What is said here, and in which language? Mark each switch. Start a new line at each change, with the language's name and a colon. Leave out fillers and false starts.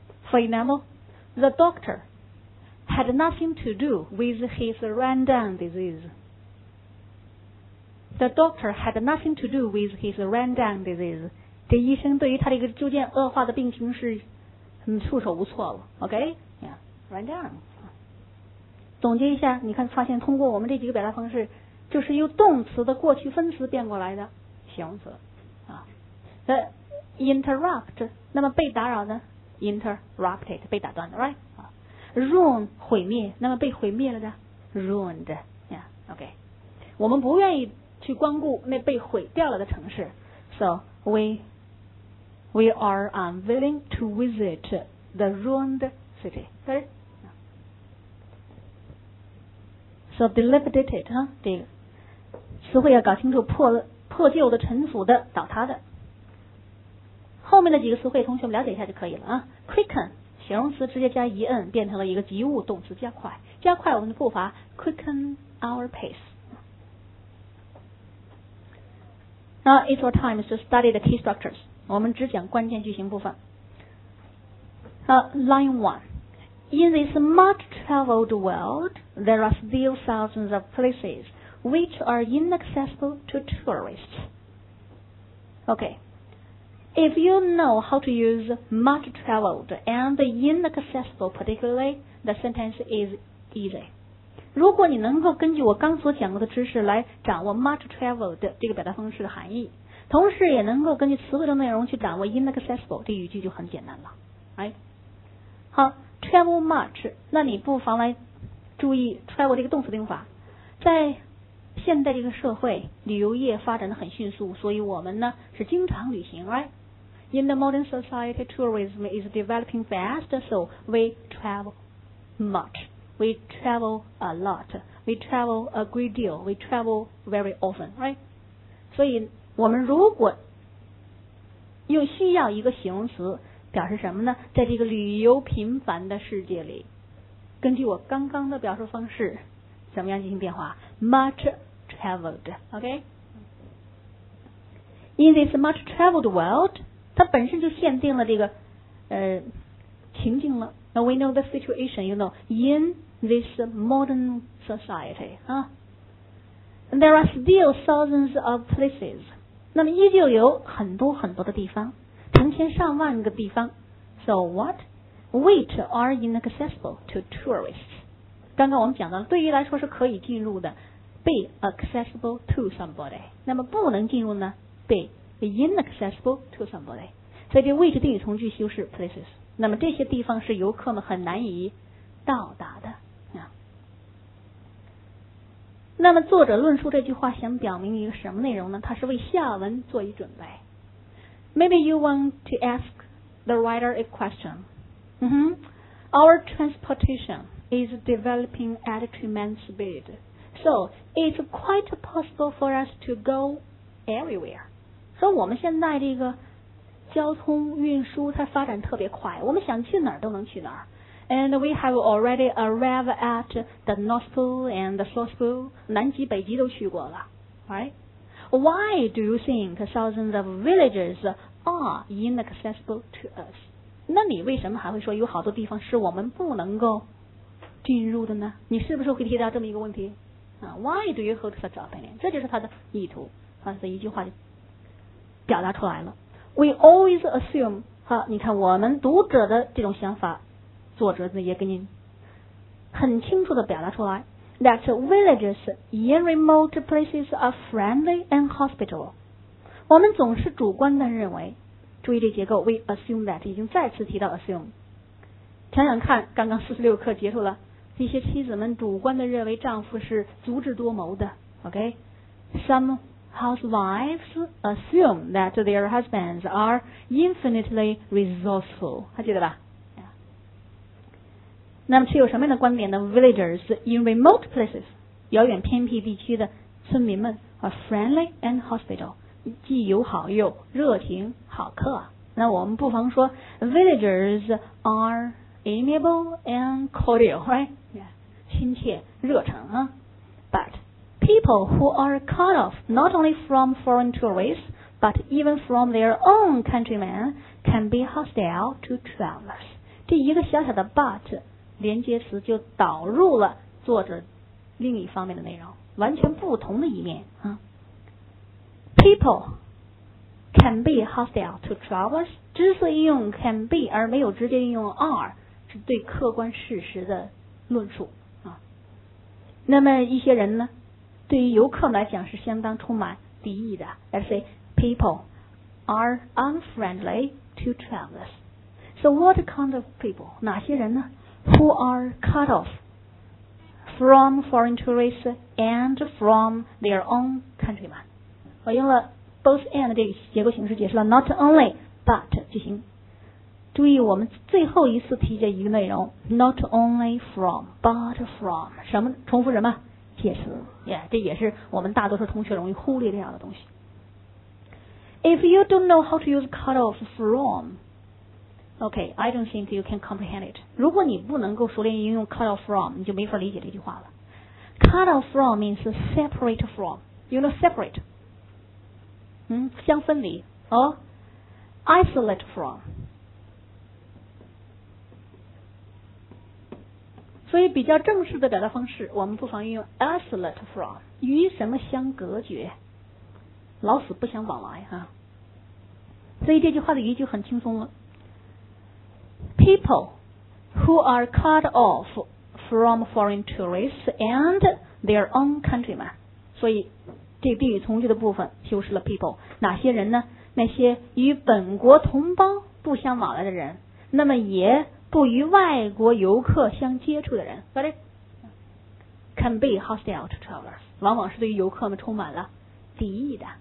English: For example, the doctor had nothing to do with his Rendon disease. The doctor had nothing to do with his Rendon disease.
Chinese: 这医生对于他这个逐渐恶化的病情是很束手无措了。OK?
English: Yeah. Rendon.
Chinese: 总结一下，你看发现通过我们这几个表达方式，就是由动词的过去分词变过来的形容词。
English: The interrupt,
Chinese: 那么被打扰呢？ Interrupted, 被打断的 right?
English: Ruin,
Chinese: 毁灭，那么被毁灭了的
English: ruined, yeah, okay.
Chinese: 我们不愿意去光顾那被毁掉了的城市
English: so we are unwilling to visit the ruined city, right? So deliberated,
Chinese: 这个词汇要搞清楚 破旧的、陈腐的、倒塌的。后面的几个词汇同学们了解一下就可以了啊。Quicken 形容词直接加 en 变成了一个及物，动词加快，加快我们的步伐，
English: quicken our pace。 Now it's our time to study the key structures，
Chinese: 我们只讲关键句型部分。
English: Line 1， In this much traveled world there are still thousands of places which are inaccessible to tourists。 Okay. If you know how to use much traveled and inaccessible particularly, the sentence is easy.
Chinese: 如果你能够根据我刚所讲过的知识来掌握 much traveled 这个表达方式的含义，同时也能够根据词汇的内容去掌握 inaccessible, 这语句就很简单了。Right? 好， travel much, 那你不妨来注意 travel 这个动词的用法。在现在这个社会旅游业发展得很迅速，所以我们呢是经常旅行 right?
English: In the modern society, tourism is developing fast, so we travel much. We travel a lot. We travel a great deal. We travel very often, right?
Chinese: 所以我们如果用需要一个形容词表示什么呢？在这个旅游频繁的世界里，根据我刚刚的表述方式怎么样进行变化？
English: Much traveled, okay? In this much traveled world,
Chinese: 它本身就限定了这个情境了。
English: Now we know the situation, you know, in this modern society, there are still thousands of places.
Chinese: 那么依旧有很多很多的地方，成千上万个地方。
English: So what? Which are inaccessible to tourists?
Chinese: 刚刚我们讲到了，对于来说是可以进入的
English: be accessible to somebody，
Chinese: 那么不能进入呢
English: be inaccessible to somebody，
Chinese: 所以这 which 定语从句修饰 places， 那么这些地方是游客们很难以到达的、那么作者论述这句话想表明一个什么内容呢？他是为下文做一准备。
English: Maybe you want to ask the writer a question、Our transportationis developing at a tremendous speed. So, it's quite possible for us to go everywhere.
Chinese: 所以我们现在这个交通运输它发展特别快，我们想去哪儿都能去哪儿。
English: And we have already arrived at the North Pole and the South Pole.
Chinese: 南极北极都去过了。
English: Right? Why do you think thousands of villages are inaccessible to us?
Chinese: 那你为什么还会说有好多地方是我们不能够进入的呢？你是不是会提到这么一个问题啊 ？
English: Why do you hold such opinion？
Chinese: 这就是他的意图，啊，这一句话就表达出来了。
English: We always assume，
Chinese: 哈，你看我们读者的这种想法，作者也给您很清楚的表达出来 ，
English: that villages in remote places are friendly and hospitable。
Chinese: 我们总是主观的认为，注意这结构 ，
English: we assume that
Chinese: 已经再次提到 assume。想想看，刚刚四十六课结束了，一些妻子们主观的认为丈夫是足智多谋的 ，OK?
English: Some housewives assume that their husbands are infinitely resourceful，
Chinese: 还记得吧？
English: Yeah.
Chinese: 那么持有什么样的观点呢 ？
English: Villagers in remote places，
Chinese: 遥远偏僻地区的村民们
English: are friendly and hospitable，
Chinese: 既友好又热情好客。
English: 那我们不妨说 ，villagers are amiable and cordial, right? Yeah.
Chinese: 亲切热诚啊。
English: But people who are cut off not only from foreign tourists, but even from their own countrymen can be hostile to travelers.
Chinese: 这一个小小的 but 连接词就导入了作者另一方面的内容，完全不同的一面啊。
English: People can be hostile to travelers，
Chinese: 之所以用 can be 而没有直接用 are， 是对客观事实的论述啊。那么一些人呢，对于游客来讲是相当充满敌意的。
English: Let's say people are unfriendly to travelers。 So what kind of people？
Chinese: 哪些人呢
English: ？Who are cut off from foreign tourists and from their own countrymen？
Chinese: 我用了 both and 这个结构形式解释了 not only but 句型。注意我们最后一次提及一个内容 ，
English: not only from but from
Chinese: 什么？重复什么？介词，这也是我们大多数同学容易忽略这样的东西。
English: If you don't know how to use cut off from， okay， I don't think you can comprehend it。
Chinese: 如果你不能够熟练应用 cut off from， 你就没法理解这句话了。
English: Cut off from means separate from， you know separate，
Chinese: 相分离，
English: isolate from。
Chinese: 所以比较正式的表达方式，我们不妨用 isolate from， 与什么相隔绝，老死不相往来哈。所以这句话的语义就很轻松了。
English: People who are cut off from foreign tourists and their own countrymen，
Chinese: 所以这个定语从句的部分修饰了
English: people，
Chinese: 哪些人呢？那些与本国同胞不相往来的人，那么也不与外国游客相接触的人 ，
English: got it？ Can be hostile to travelers，
Chinese: 往往是对于游客们充满了敌意的。